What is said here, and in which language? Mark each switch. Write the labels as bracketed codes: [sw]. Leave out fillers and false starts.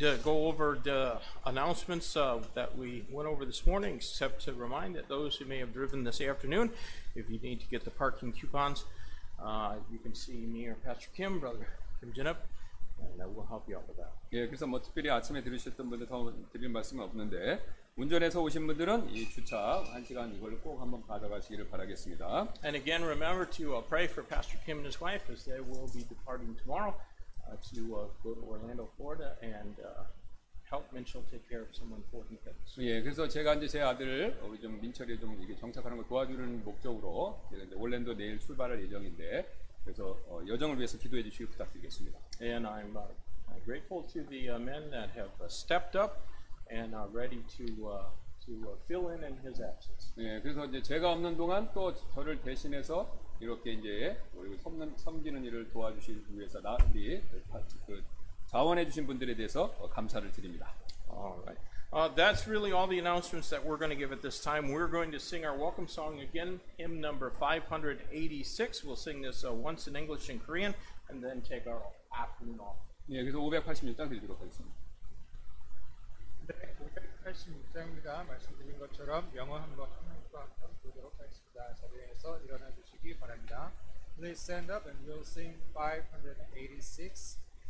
[en] that we went over this morning, except to remind that those who may have driven this afternoon, if you need to get the parking coupons, you can see me or Pastor Kim, Brother Kim Jin-up, and that will help you out with that. [ko] 예, 그래서 뭐 특별히 아침에 들으셨던 분들 더 드릴 말씀은 없는데 운전해서 오신 분들은 이 주차 한 시간 이걸 꼭 한번 받아가시기를 바라겠습니다. [en] And again, remember to pray for Pastor Kim and his wife as they will be departing tomorrow to go to Orlando, Florida, and help Minchel take care of some important things. [ko] 예, 그래서 제가 이제 제 아들 우리 좀 민철이 좀 이게 정착하는 걸 도와주는 목적으로 이제 올랜도 내일 출발할 예정인데 그래서 여정을 위해서 기도해 주시길 부탁드리겠습니다. [en] And I'm grateful to the men that have stepped up and are ready to fill in his absence. [ko] 예, 그래서 이제 제가 없는 동안 또 저를 대신해서 이렇게 이제 우리 섬기는 일을 도와주시기 위해서 나들이 그 자원해 주신 분들에 대해서 감사를 드립니다. [en] All right. That's really all the announcements that we're going to give at this time. We're going to sing our welcome song again, hymn number 586. We'll sing this once in English and Korean and then take our afternoon off. [ko] 네, 예, 그래서 586장 드리도록 하겠습니다. 네, 586장입니다. 말씀드린 것처럼 영어 한번 하나님과 한번 보도록 하겠습니다. 자리에서 일어나 주시기 바랍니다. [en] Please stand up and we'll sing 586.